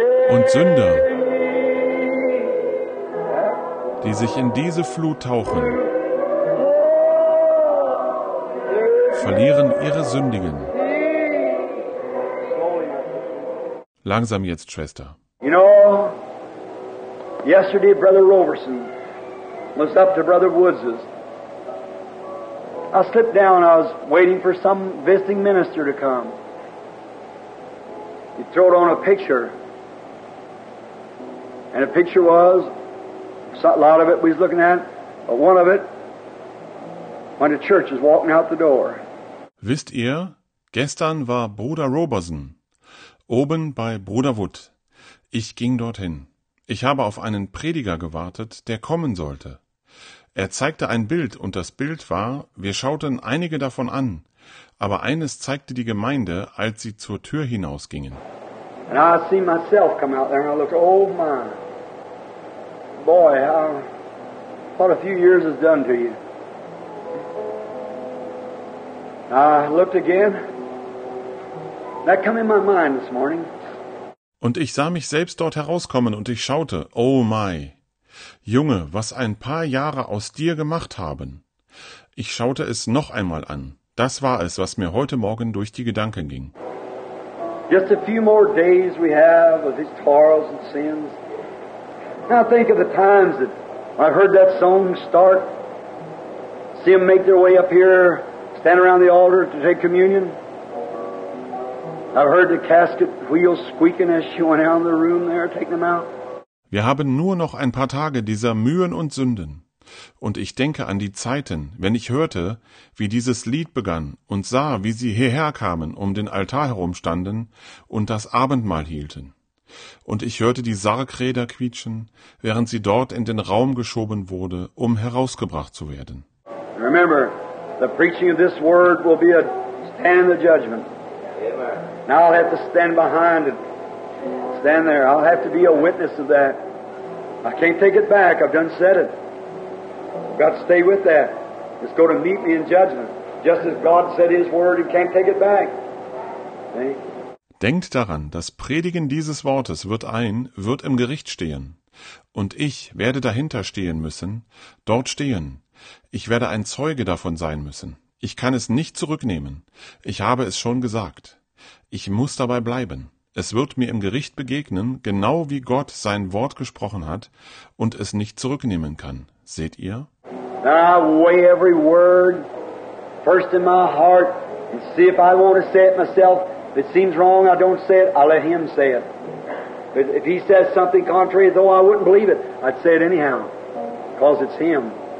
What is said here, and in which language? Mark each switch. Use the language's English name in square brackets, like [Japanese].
[German] Und Sünder, die sich in diese Flut tauchen, verlieren ihre Sündigen. Langsam jetzt, Schwester. [English] You know, yesterday Brother Roberson was up to Brother Woods's. I slipped down, I was waiting for some visiting minister to come. He threw on a picture. And the picture was, a lot of it we was looking at, but one of it, when the church is walking out the door. [German] Wisst ihr, gestern war Bruder Roberson oben bei Bruder Wood. Ich ging dorthin. Ich habe auf einen Prediger gewartet, der kommen sollte. Er zeigte ein Bild und das Bild war, wir schauten einige davon an, aber eines zeigte die Gemeinde, als sie zur Tür hinausgingen. [English] And I see myself come out there and I look, oh my, boy, what a few years has done to you. I looked again. That came in my mind this morning. [German] Und ich sah mich selbst dort herauskommen und ich schaute, [English] oh my, [German] Junge, was ein paar Jahre aus dir gemacht haben. Ich schaute es noch einmal an. Das war es, was mir heute Morgen durch die Gedanken ging. [English] Just a few more days we have of these toils and sins. Now think of the times that I heard that song start. See them make their way up here, stand around the altar to take communion. I heard the casket wheels squeaking as she went out in the room there, taking them out. [German] Wir haben nur noch ein paar Tage dieser Mühen und Sünden. Und ich denke an die Zeiten, wenn ich hörte, wie dieses Lied begann und sah, wie sie hierher kamen, um den Altar herumstanden und das Abendmahl hielten. Und ich hörte die Sargräder quietschen, während sie dort in den Raum geschoben wurde, um herausgebracht zu werden. [English] Remember, the preaching of this word will be a stand of judgment. Amen. Now I'll have to stand behind it. Stand there. I'll have to be a witness of that. I can't take it back. I've done said it. I've got to stay with that. It's going to meet me in judgment. Just as God said his word, he can't take it back. See? [German] Denkt daran, das Predigen dieses Wortes wird im Gericht stehen. Und ich werde dahinter stehen müssen, dort stehen. Ich werde ein Zeuge davon sein müssen. Ich kann es nicht zurücknehmen. Ich habe es schon gesagt. Ich muss dabei bleiben. Es wird mir im Gericht begegnen, genau wie Gott sein Wort gesprochen hat und es nicht zurücknehmen kann. Seht ihr? [English] Now I weigh every word first in my heart and see if I want to say it myself. If it seems wrong, I don't say it. I let him say it. But if he says something contrary, though I wouldn't believe it, I'd say it anyhow, because it's him.